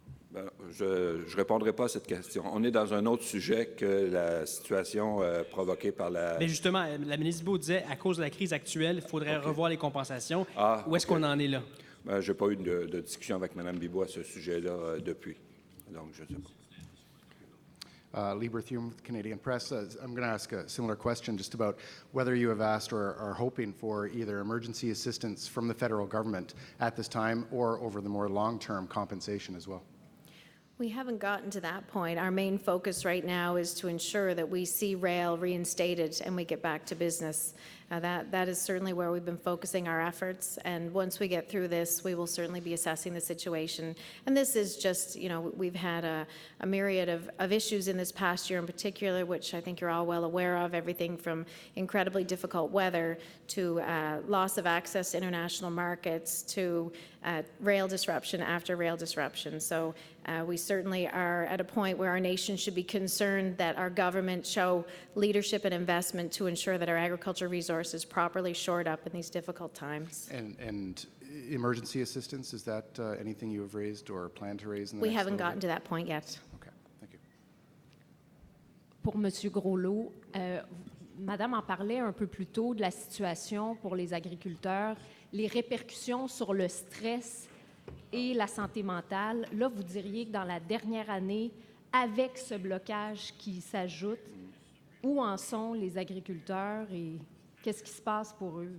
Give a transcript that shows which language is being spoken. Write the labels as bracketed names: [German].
[French] Bien, je ne répondrai pas à cette question. On est dans un autre sujet que la situation provoquée par la… Mais justement, la ministre Bibeault disait, à cause de la crise actuelle, il faudrait revoir les compensations. Où est-ce qu'on en est là? Ben, je n'ai pas eu de discussion avec Mme Bibeault à ce sujet-là depuis. Donc, je ne sais pas. [English] Lee Berthume with the Canadian Press. I'm going to ask a similar question just about whether you have asked or are hoping for either emergency assistance from the federal government at this time or over the more long-term compensation as well. We haven't gotten to that point. Our main focus right now is to ensure that we see rail reinstated and we get back to business. That is certainly where we've been focusing our efforts. And once we get through this, we will certainly be assessing the situation. And this is just, you know, we've had a myriad of issues in this past year in particular, which I think you're all well aware of, everything from incredibly difficult weather to loss of access to international markets to rail disruption after rail disruption. So we certainly are at a point where our nation should be concerned that our government show leadership and investment to ensure that our agriculture resources properly shored up in these difficult times. And emergency assistance, is that anything you have raised or plan to raise? We haven't gotten to that point yet. Okay, thank you. [French] Pour Monsieur Groslot, Madame en parlait un peu plus tôt de la situation pour les agriculteurs, les répercussions sur le stress et la santé mentale. Là, vous diriez que dans la dernière année, avec ce blocage qui s'ajoute, où en sont les agriculteurs et qu'est-ce qui se passe pour eux?